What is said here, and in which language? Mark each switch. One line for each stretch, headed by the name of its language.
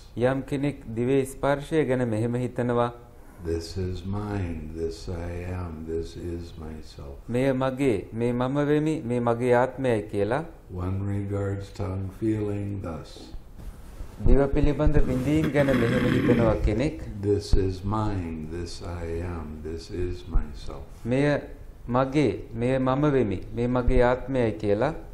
Sinhala: යම් කෙනෙක් දිවේ ස්පර්ශය ගැන මෙහෙම හිතනවා.
English: This is mine, this I am, this is myself.
Sinhala: මේ මගේ, මේ මම වෙමි, මේ මගේ ආත්මයයි කියලා.
English: One regards tongue feeling thus.
Sinhala: දිව පිළිබඳ විඳින් ගැන මෙහෙම හිතනවා කෙනෙක්
English: this is mine this I am this is myself
Sinhala: මෙය මගේ මෙය මම වෙමි මේ මගේ ආත්මයයි කියලා